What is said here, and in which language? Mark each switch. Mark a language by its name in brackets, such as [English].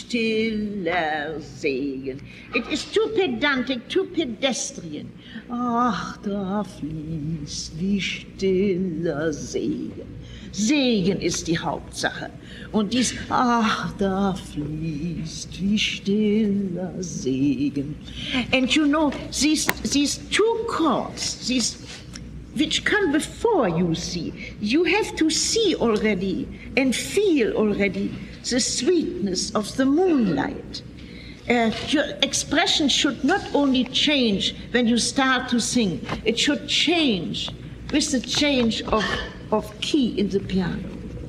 [German] Stiller Segen. [English] It is too pedantic, too pedestrian. [German] Ach, da fließt wie stiller Segen. Segen ist die Hauptsache. Und dies, ach, da fließt wie stiller Segen. [English] And you know, these two chords, these which come before you see, you have to see already and feel already the sweetness of the moonlight. Your expression should not only change when you start to sing, it should change with the change of key in the piano.